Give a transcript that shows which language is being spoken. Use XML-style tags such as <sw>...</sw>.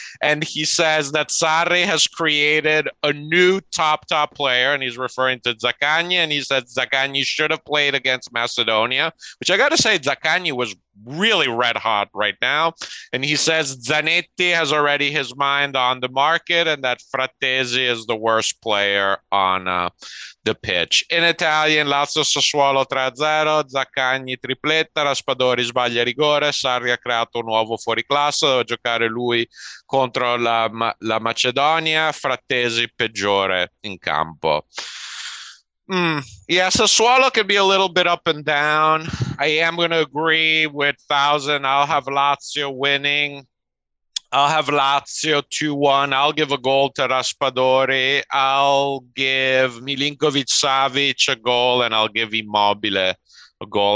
<en>And he says that Sarri has created a new top player, and he's referring to Zaccagni. And he said Zaccagni should have played against Macedonia, which I got to say, Zaccagni was really red hot right now. And he says Zanetti has already his mind on the market and that Frattesi is the worst player on the pitch. In Italian,</en> <it>Lazio Sassuolo 3-0, Zaccagni tripletta, Raspadori sbaglia rigore, Sarri ha creato un nuovo fuoriclasse, doveva giocare lui contro la Macedonia, Frattesi peggiore in campo.</it> <en>Yeah, Sassuolo can be a little bit up and down. I am going to agree with Thousand. I'll have Lazio winning. I'll have Lazio 2-1. I'll give a goal to Raspadori. I'll give Milinkovic-Savic a goal, and I'll give Immobile a goal.</en>